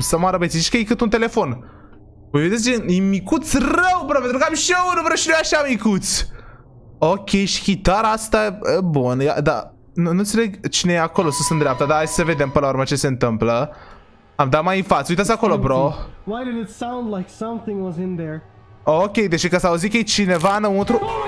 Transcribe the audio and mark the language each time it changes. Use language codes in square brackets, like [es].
[ro] Să mă arăbeți, zici că e cât un telefon. Voi vedeți, e micuț rău, bro, pentru că am și eu unul, bro, și nu e așa micuț. Ok, și chitara asta e bună, dar nu înțeleg cine e acolo sus în dreapta, dar hai să vedem până la urmă ce se întâmplă. Am dat mai în față, uitați acolo, bro. [en] Why did it sound like something was in there? [ro] Ok, deși că s-a auzit că e cineva înăuntru.